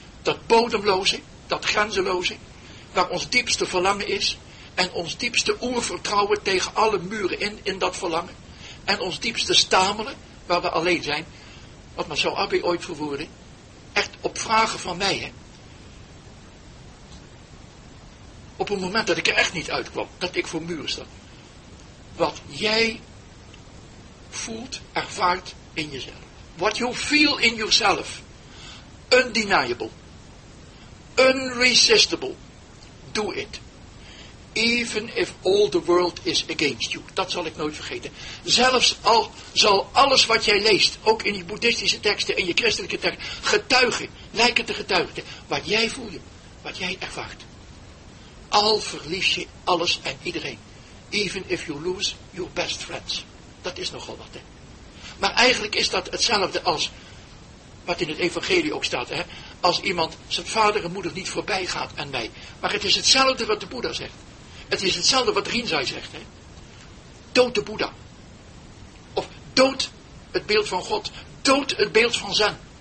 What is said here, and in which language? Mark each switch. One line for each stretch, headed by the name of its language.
Dutch: Dat bodemloze, dat grenzeloze, waar ons diepste verlangen is en ons diepste oervertrouwen tegen alle muren in dat verlangen en ons diepste stamelen, waar we alleen zijn, wat Maso Abi ooit verwoordde, echt op vragen van mij, hè. Op een moment dat ik er echt niet uitkwam, dat ik voor muren stond. Wat jij voelt, ervaart in jezelf.
English: What you feel in yourself. Undeniable. Unresistible. Do it. Even if all the world is against you.
Dutch: Dat zal ik nooit vergeten. Zelfs al zal alles wat jij leest, ook in je boeddhistische teksten en je christelijke teksten, getuigen, lijken te getuigen, wat jij voelt, wat jij ervaart. Al verlies je alles en iedereen.
English: Even if you lose your best friends.
Dutch: Dat is nogal wat, hè. Maar eigenlijk is dat hetzelfde als wat in het evangelie ook staat, hè. Als iemand zijn vader en moeder niet voorbij gaat aan mij. Maar het is hetzelfde wat de Boeddha zegt. Het is hetzelfde wat Rinzai zegt. Hè? Dood de Boeddha. Of dood het beeld van God. Dood het beeld van Zen.